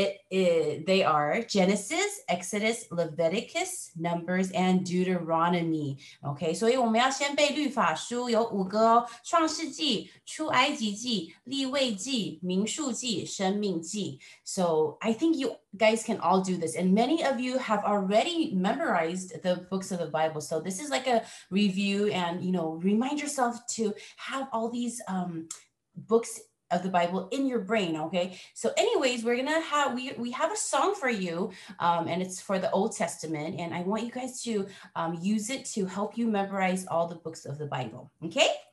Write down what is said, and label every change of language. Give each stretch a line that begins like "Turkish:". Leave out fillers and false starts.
English: They are Genesis, Exodus, Leviticus, Numbers, and Deuteronomy.
Chinese: Okay, so 所以我们要先背律法书有五个哦, 创世纪, 出埃及记, 立位记, 民数记, 生命记.
English: So I think you guys can all do this. And many of you have already memorized the books of the Bible. So this is like a review and, you know, remind yourself to have all these books of the Bible in your brain, okay? So anyways, we have a song for you, and it's for the Old Testament, and I want you guys to use it to help you memorize all the books of the Bible, okay?